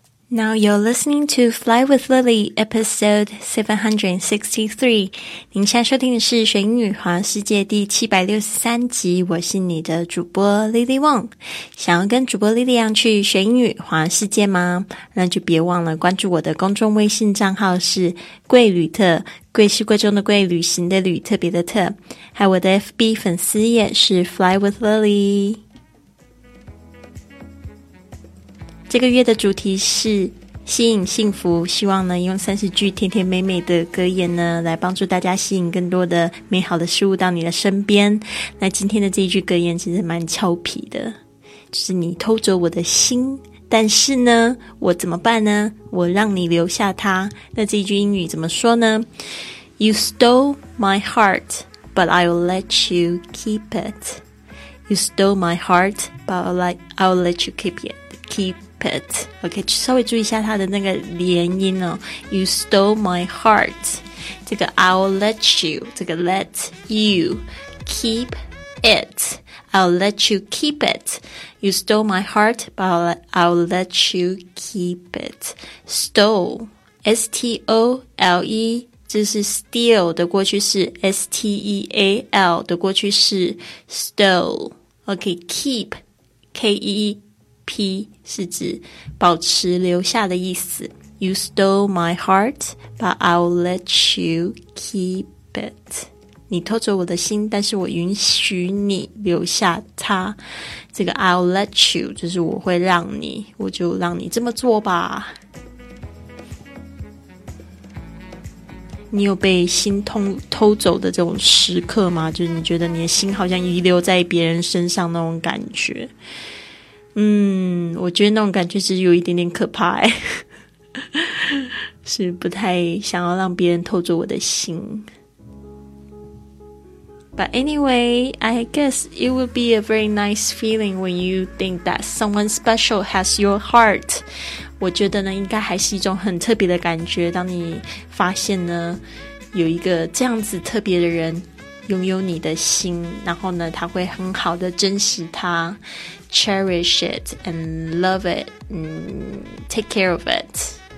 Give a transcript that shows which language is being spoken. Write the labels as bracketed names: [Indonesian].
[English] Now you're listening to Fly with Lily, episode 763. [Chinese] 您现在收听的是学英语环游世界第763集，我是你的主播 Lily Wong。想要跟主播 Lily 一样去学英语环游世界吗？那就别忘了关注我的公众微信账号是贵旅特，贵是贵中的贵，旅行的旅，特别的特。还有我的 FB 粉丝页是 Fly with Lily。这个月的主题是吸引幸福，希望呢用30句甜甜美美的格言呢来帮助大家吸引更多的美好的事物到你的身边。那今天的这一句格言其实蛮俏皮的，就是你偷走我的心，但是呢我怎么办呢？我让你留下它。那这一句英语怎么说呢？ [English] You stole my heart, but I'll let you keep it. You stole my heart, but I'll let you keep it. [Chinese] OK, 稍微注意一下它的那个连音哦。 [English] You stole my heart. 这个 I'll let you, 这个 let you keep it. I'll let you keep it. You stole my heart, but I'll let you keep it. [Chinese] Stole, S-T-O-L-E, 这是 steal 的过去式， S-T-E-A-L 的过去式， stole. [English] OK, keep, K-E-P. [Chinese] 是指保持留下的意思。 [English] You stole my heart, but I'll let you keep it. [Chinese] 你偷走我的心，但是我允许你留下它。这个 [English] I'll let you [Chinese] 就是我会让你，我就让你这么做吧。你有被心偷走的这种时刻吗？就是你觉得你的心好像遗留在别人身上那种感觉。我觉得那种感觉是有一点点可怕诶。是不太想要让别人偷走我的心。 [English] But anyway, I guess it would be a very nice feeling when you think that someone special has your heart. [Chinese] 我觉得呢应该还是一种很特别的感觉，当你发现呢有一个这样子特别的人拥有你的心，然后呢他会很好的珍惜他， [English] cherish it and love it and take care of it.